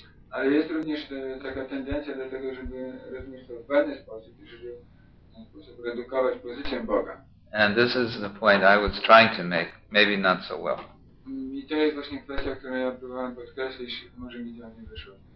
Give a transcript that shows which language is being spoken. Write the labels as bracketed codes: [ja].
[pl] Ale jest również taka tendencja do tego, żeby rozumieć to w pewien sposób, żeby redukować pozycję Boga. [en] And this is the point I was trying to make, maybe not so well. [pl] I to jest właśnie kwestia, którą ja próbowałem podkreślić, może mi to nie wyszło.